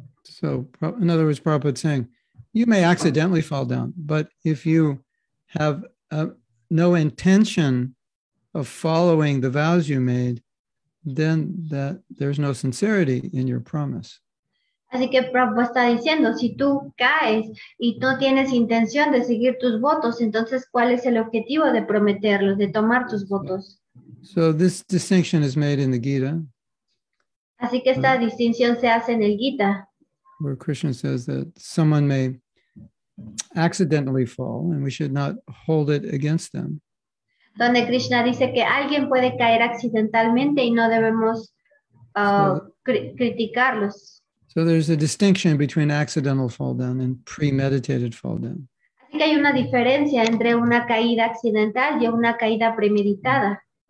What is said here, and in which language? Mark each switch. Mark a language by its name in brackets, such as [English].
[English] So, in other words, Prabhupada is saying, you may accidentally fall down, but if you have no intention of following the vows you made, then that there's no sincerity in your promise. [Spanish] Así que Prabhupada está diciendo, si tú caes y no tienes intención de seguir tus votos, entonces ¿cuál es el objetivo de prometerlos, de tomar tus votos? [English] So this distinction is made in the Gita. [Spanish] Así que esta distinción se hace en el Gita. [English] Where Krishna says that someone may accidentally fall and we should not hold it against them. [Spanish] Donde Krishna dice que alguien puede caer accidentalmente y no debemos criticarlos. [English] So there's a distinction between accidental fall down and premeditated fall down. [Spanish] Así que hay una diferencia entre una caída accidental y una caída premeditada.